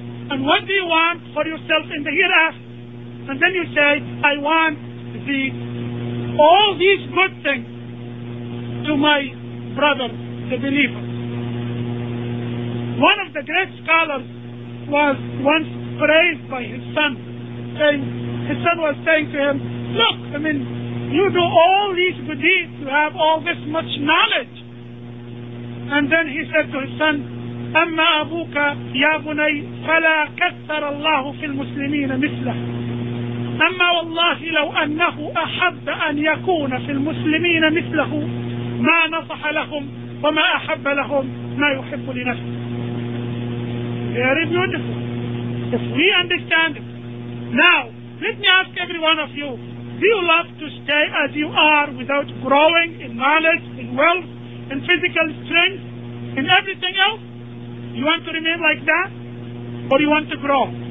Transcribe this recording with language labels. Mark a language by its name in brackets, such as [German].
[English] And what do you want for yourself in the hereafter? And then you say, "I want all these good things to my brother, the believer." One of the great scholars was once praised by his son, saying, his son was saying to him, "Look, I mean, you do all these good deeds, you have all this much knowledge." And then he said to his son, [Arabic] "أَمَّا أَبُوكَ يَا بُنَيْ فَلَا كَثَّرَ اللَّهُ فِي الْمُسْلِمِينَ مِثْلَهُ أَمَّا وَاللَّهِ لَوْ أَنَّهُ أَحَبَّ أَنْ يَكُونَ فِي الْمُسْلِمِينَ مِثْلَهُ مَا نَصَحَ لَهُمْ وَمَا أَحَبَّ لَهُمْ مَا يُحِبُّ لِنَفْسِهِ." [English] Very beautiful. If we understand it. Now, let me ask every one of you, do you love to stay as you are without growing in knowledge, in wealth, in physical strength, in everything else? You want to remain like that? Or you want to grow?